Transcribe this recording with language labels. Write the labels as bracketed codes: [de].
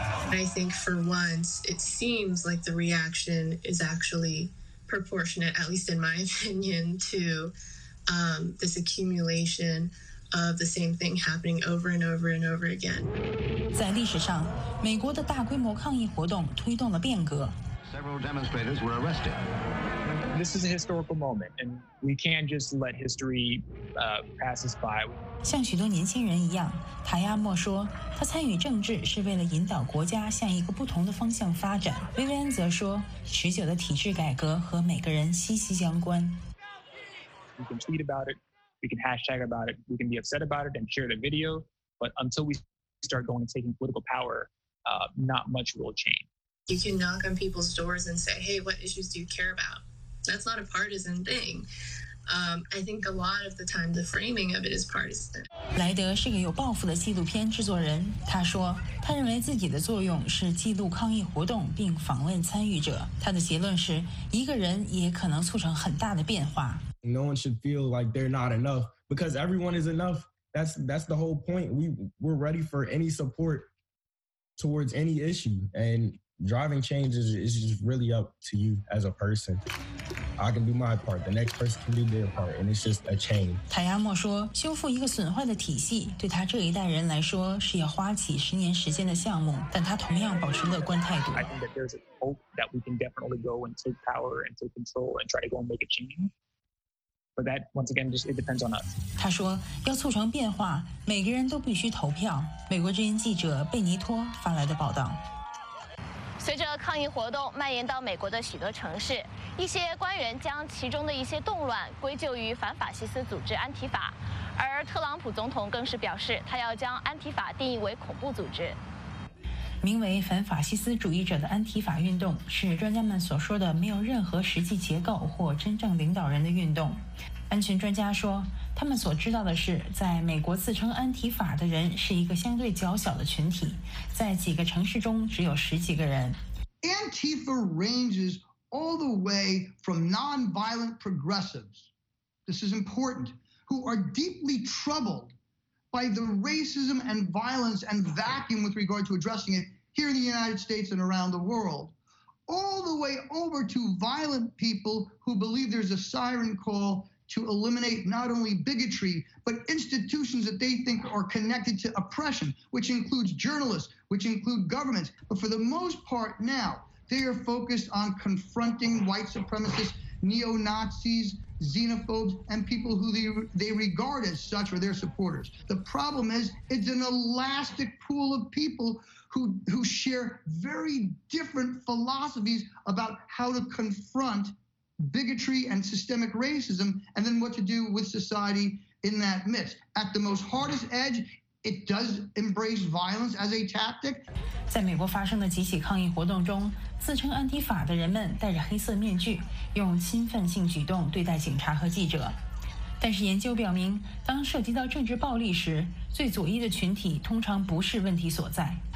[en] I think for once it seems like the reaction is actually proportionate, at least in my opinion, to this accumulation of the same thing happening over and over and over again. [zh] 在历史上，美国的大规模抗议活动推动了变革。 [en] Several demonstrators were arrested. This is a historical moment, and we can't just let history pass us by. [zh] 像许多年轻人一样，塔亚莫说，他参与政治是为了引导国家向一个不同的方向发展。薇薇安则说，持久的体制改革和每个人息息相关。 [en] We can tweet about it, we can hashtag about it, we can be upset about it and share the video, but until we start going and taking political power, not much will change. You can knock on people's doors and say, hey, what issues do you care about? That's not a partisan thing. I think a lot of the time the framing of it is partisan. [zh] 莱德是个有抱负的纪录片制作人，他说他认为自己的作用是记录抗议活动并访问参与者。他的结论是一个人也可能促成很大的变化。 [en] No one should feel like they're not enough because everyone is enough. That's the whole point. We're ready for any support towards any issue. And driving change is just really up to you as a person. I can do my part. The next person can do their part. And it's just a chain. [zh] 塔亚莫说，修复一个损坏的体系对他这一代人来说是要花起十年时间的项目，但他同样保持乐观态度。 [en] I think that there's a hope that we can definitely go and take power and take control and try to go and make a change. But that, once again, just it depends on us. [zh] 他说，要促成变化，每个人都必须投票。美国之音记者贝尼托发来的报道。随着抗议活动蔓延到美国的许多城市，一些官员将其中的一些动乱归咎于反法西斯组织安提法，而特朗普总统更是表示，他要将安提法定义为恐怖组织。名为反法西斯主义者的安提法运动是专家们所说的没有任何实际结构或真正领导人的运动。安全专家说，他们所知道的是，在美国自称安提法的人是一个相对较小的群体，在几个城市中只有十几个人。 [en] Antifa ranges all the way from non-violent progressives, this is important, who are deeply troubled. By the racism and violence and vacuum with regard to addressing it here in the United States and around the world, all the way over to violent people who believe there's a siren call to eliminate not only bigotry, but institutions that they think are connected to oppression, which includes journalists, which include governments. But for the most part now, they are focused on confronting white supremacists, neo-Nazis,xenophobes and people who they regard as such or their supporters. The problem is it's an elastic pool of people who share very different philosophies about how to confront bigotry and systemic racism and then what to do with society in that midst. At the most hardest edge,It does embrace violence as a tactic. [zh] 在美国发生的几起抗议活动中，自称安提法的人们戴着黑色面具，用侵犯性举动对待警察和记者。但是研究表明，当涉及到政治暴力时，最左翼的群体通常不是问题所在。